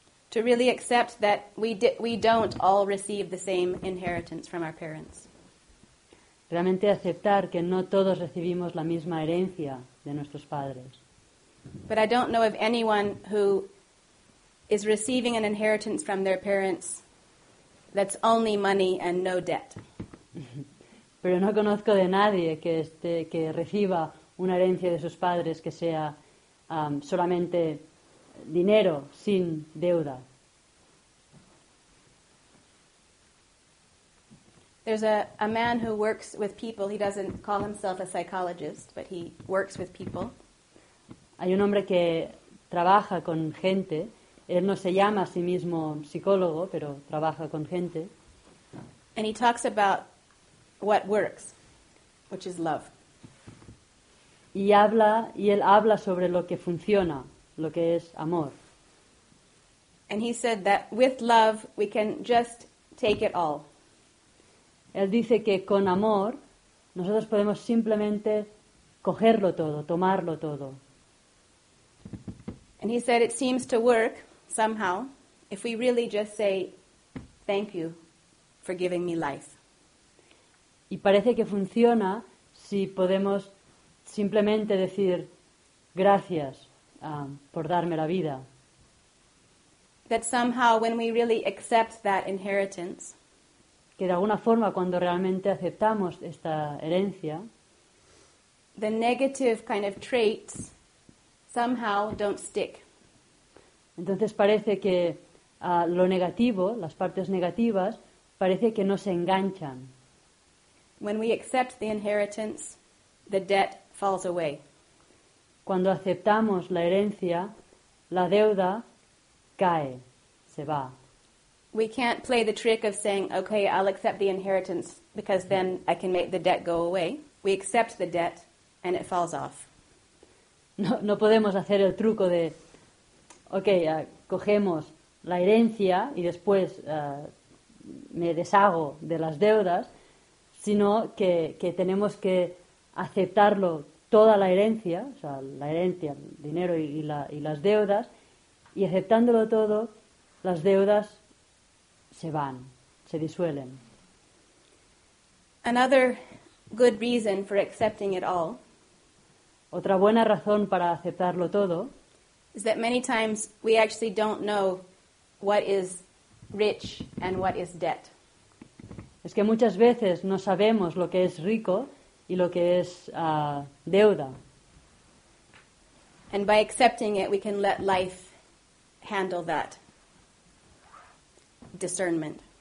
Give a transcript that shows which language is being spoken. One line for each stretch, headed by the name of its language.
English: To really accept that we don't all receive the same inheritance from our parents.
Spanish: Realmente aceptar que no todos recibimos la misma herencia de nuestros padres.
English: But I don't know of anyone who is receiving an inheritance from their parents that's only money and no debt.
Spanish: Pero no conozco de nadie que reciba una herencia de sus padres que sea solamente dinero sin deuda.
English: There's a man who works with people. He doesn't call himself a psychologist, but he works with people.
Spanish: Hay un hombre que trabaja con gente. Él no se llama a sí mismo psicólogo, pero trabaja con gente.
English: And he talks about what works, which is love.
Spanish: Y él habla sobre lo que funciona, lo que es amor.
English: And he said that with love we can just take it all.
Spanish: Él dice que con amor nosotros podemos simplemente cogerlo todo, tomarlo todo.
English: And he said it seems to work somehow if we really just say thank you for giving me life.
Spanish: Y parece que funciona si podemos simplemente decir gracias por darme la vida.
English: That somehow when we really accept that inheritance,
Spanish: que de alguna forma cuando realmente aceptamos esta herencia,
English: the negative kind of traits somehow don't stick.
Spanish: Entonces parece que lo negativo, las partes negativas, parece que no se enganchan.
English: When we accept the inheritance, the debt falls away.
Spanish: Cuando aceptamos la herencia, la deuda cae, se va.
English: We can't play the trick of saying, okay, I'll accept the inheritance because then I can make the debt go away. We accept the debt and it falls off.
Spanish: No podemos hacer el truco de, okay, cogemos la herencia y después me deshago de las deudas, sino que tenemos que aceptarlo toda la herencia, o sea, la herencia, el dinero y las deudas, y aceptándolo todo, las deudas se van, se disuelen.
English: Another good reason for accepting it all.
Spanish: Otra buena razón para aceptarlo todo.
English: is that many times we actually don't know what is rich and what is debt.
Spanish: Es que muchas veces no sabemos lo que es rico y lo que es deuda.
English: And by accepting it, we can let life handle that discernment.